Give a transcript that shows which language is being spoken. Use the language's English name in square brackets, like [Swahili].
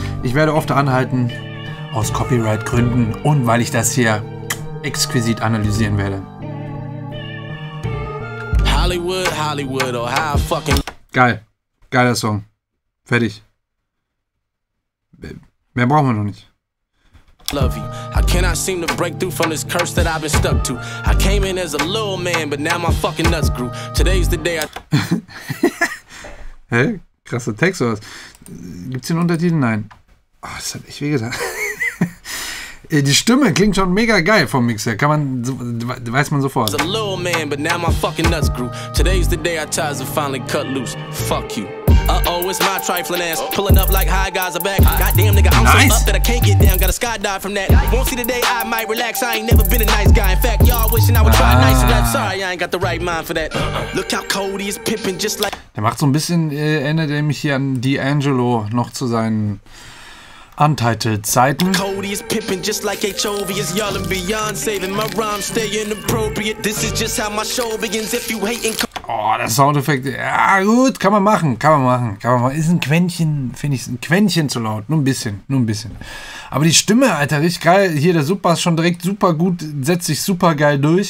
[German] Ich werde oft anhalten aus Copyright-Gründen und weil ich das hier exquisit analysieren werde. [English] Hollywood, Hollywood, oh how fucking. [German] Geil. Geiler Song. Fertig. Mehr brauchen wir noch nicht. [English] Love you. I cannot seem to break through from this curse that I've been stuck to. I came in as a little man, but now my fucking nuts grew. Today's the day I. [German] Hä? Krasser Text oder was? Gibt's den Untertitel? Nein. Oh, das hat echt wehgetan. Die Stimme klingt schon mega geil vom Mix her. Kann man, weiß man sofort. [English] I was a little man, but now my fucking nuts grew. Today's the day our ties are finally cut loose. Fuck you. Uh-oh, it's my trifling ass. Pulling up like high guys are back. Goddamn, nigga, I'm nice. So up that I can't get down. Gotta skydive from that. Won't see the day I might relax. I ain't never been a nice guy. In fact, y'all wishing I would try nice rap. Sorry, I ain't got the right mind for that. Look how Cody is pimping just like. [German] Der macht so ein bisschen, erinnert er mich hier an D'Angelo noch zu seinen Untitled Zeiten. [English] Cody is pimping just like HOV is yelling beyond saving my rhymes, staying appropriate. This is just how my show begins if you hating. [German] Oh, der Soundeffekt, ja gut, kann man machen, kann man machen, kann man machen. Ist ein Quäntchen, finde ich, ein Quäntchen zu laut, nur ein bisschen, nur ein bisschen. Aber die Stimme, Alter, richtig geil, hier der Super ist schon direkt super gut, setzt sich super geil durch.